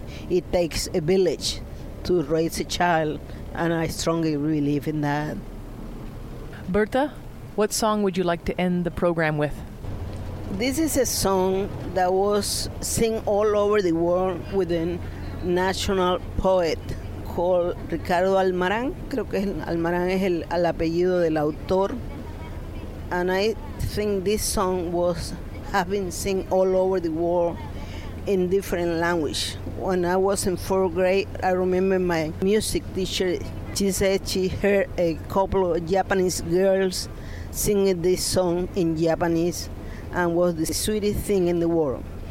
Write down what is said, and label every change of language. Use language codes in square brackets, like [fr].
[en] It takes a village to raise a child, and I strongly believe in that. Bertha, what song would you like to end the program with? This is a song that was sung all over the world with a national poet called Ricardo Almarán. [es] Creo que Almarán es el apellido del autor. [en] And I think this song has been sung all over the world in different language. When I was in fourth grade, I remember my music teacher, she said she heard a couple of Japanese girls singing this song in Japanese and was the sweetest thing in the world.